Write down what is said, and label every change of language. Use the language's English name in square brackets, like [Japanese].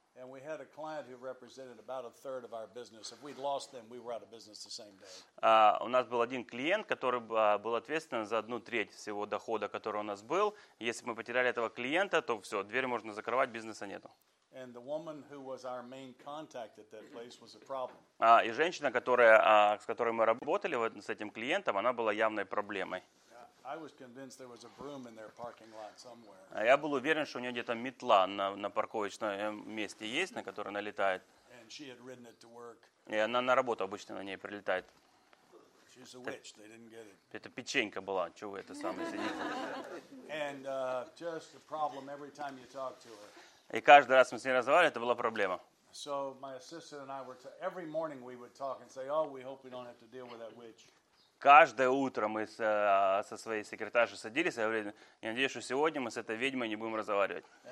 [English] And we had a client who represented about a third of our business. If we'd lost them, we were out of business the same day. [Russian] У нас был один клиент, который был ответственен за 1/3 всего дохода, который у нас был. Если мы потеряли этого клиента, то все, дверь можно закрывать, бизнеса нету. [English] And the woman who was our main contact at that place was a problem. [Russian] И женщина, которая, с которой мы работали вот с этим клиентом, она была явной проблемой. [English] I was convinced there was a broom in their parking lot somewhere. [Russian] Я был уверен, что у нее где-то метла на парковочном месте есть, на которой она летает. [English] And she had ridden it to work. [Russian] И она на работу обычно на ней прилетает. [English] She's a witch. They didn't get it. [Russian] Это печенька была, чего это самое сидит. [English] And just a problem every time you talk to her. [Russian] И каждый раз мы с ней разговаривали, это была проблема. [English] So my assistant and I were every morning we would talk and say, oh, we hope we don't have to deal with that witch. [Russian] Каждое утро мы со своей секретаршей садились и говорили, я надеюсь, что сегодня мы с этой ведьмой не будем разговаривать.